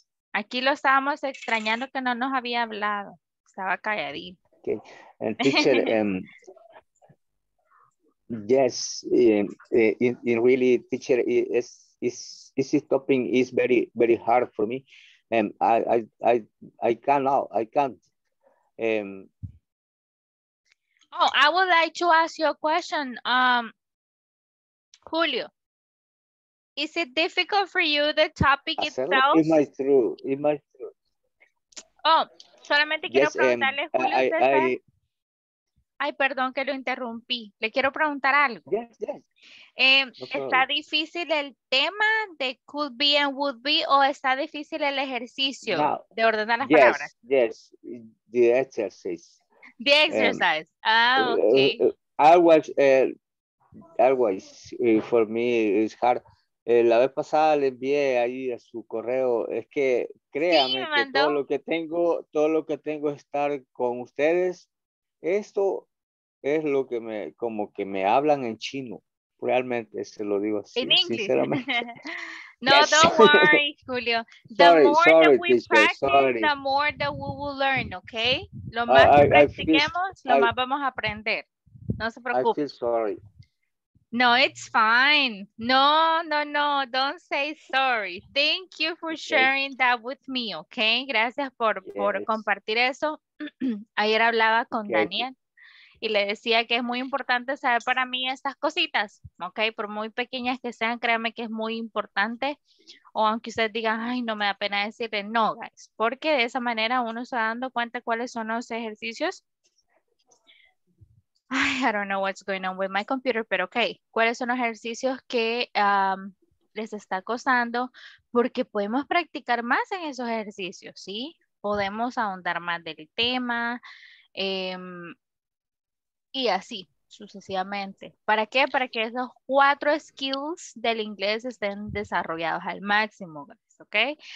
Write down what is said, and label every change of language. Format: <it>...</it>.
<es>Aquí lo estábamos extrañando que no nos había hablado. Estaba calladito.</es> <en>Okay, and teacher, yes, in really, teacher, is this topic is very, very hard for me, and I can't. I would like to ask you a question, Julio. Is it difficult for you the topic itself? It might. Oh.</en> <es>Solamente quiero preguntarle, Julio, ay, perdón que lo interrumpí. Le quiero preguntar algo.</es> <en>Yes.</en> <es>¿Está difícil el tema de could be and would be o está difícil el ejercicio de ordenar las palabras?</es> <en>Yes, the exercise. The exercise. Okay. Always, for me, it's hard.</en> <es>La vez pasada le envié ahí a su correo. Es que créame sí, que todo lo que tengo es estar con ustedes. Esto es lo que me, como que me hablan en chino. Realmente se lo digo así, sinceramente.</es> <en>No, yes. Don't worry, Julio. The more that we practice, the more that we will learn, okay?</en> <es>Lo más que practiquemos, lo más vamos a aprender. No se preocupe.</es> <en>I feel sorry. No, it's fine. No, don't say sorry. Thank you for sharing that with me, okay?</en> <es>Gracias por compartir eso. Ayer hablaba con Daniel y le decía que es muy importante saber para mí estas cositas, okay? Por muy pequeñas que sean, créanme que es muy importante. O aunque ustedes digan, ay, no me da pena decirle, no, guys. Porque de esa manera uno se va dando cuenta cuáles son los ejercicios.</es> <en>Ay, I don't know what's going on with my computer,</en> <es>pero okay. ¿Cuáles son los ejercicios que les está costando? Porque podemos practicar más en esos ejercicios, ¿sí? Podemos ahondar más del tema, y así sucesivamente. ¿Para qué? Para que esos cuatro skills del inglés estén desarrollados al máximo, ¿ok?</es>